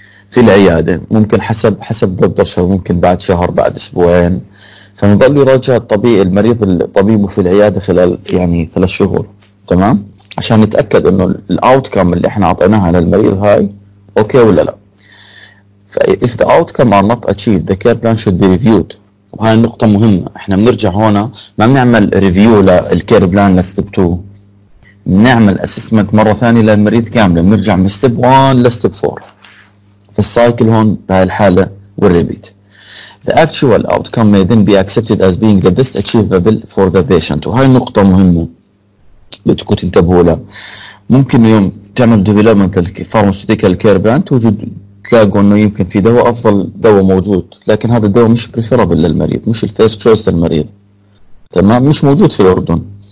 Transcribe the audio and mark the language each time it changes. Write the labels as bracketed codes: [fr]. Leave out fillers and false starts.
[ar] في العيادة، ممكن حسب بلد برشر، ممكن بعد شهر بعد اسبوعين، فنظل يراجع الطبيب المريض الطبيب في العيادة خلال يعني 3 شهور، تمام، عشان نتأكد انه الاوتكم اللي احنا عطيناها للمريض هاي اوكي ولا لا. [en] فإذا the outcome are not achieved the care plan should be reviewed. [ar] وهاي النقطة مهمة، احنا بنرجع هنا ما بنعمل ريفيو للكير بلان لستيب 2، نعمل اسسمنت مره ثانيه للمريض كامله، بنرجع من ستيب 1 لستيب 4 في السايكل هون بهاي الحاله والريبيت. [en] The actual outcome may then be accepted as being the best achievable for the patient. [ar] وهاي نقطه مهمه بدكم تنتبهوا لها، ممكن يوم تعمل ديفلوبمنت للفارماسيوتيكال كير بلان تلاقوا انه يمكن في دواء افضل دواء موجود، لكن هذا الدواء مش بريفيرابل للمريض، مش الفيرست تشويس للمريض، تمام، مش موجود في الاردن.